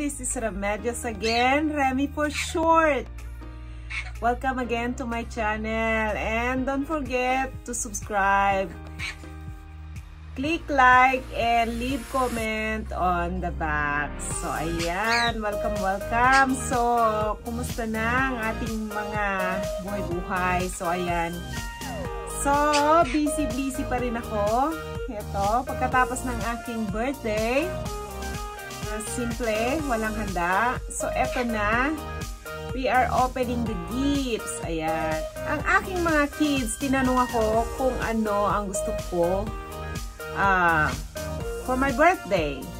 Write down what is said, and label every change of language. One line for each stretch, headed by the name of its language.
English: This is Remedios again, Remy for short. Welcome again to my channel. And don't forget to subscribe. Click like and leave comment on the box.
Filipino: So, ayan. Welcome, welcome. So, kumusta na ang ating mga buhay-buhay? So, ayan. So, busy-busy pa rin ako. Ito, pagkatapos ng aking birthday, simple, walang handa.
English: So,
Filipino: eto na,
English: we are opening the gifts.
Filipino: Ayan. Ang aking mga kids, tinanong ako kung ano ang gusto ko
English: for my birthday.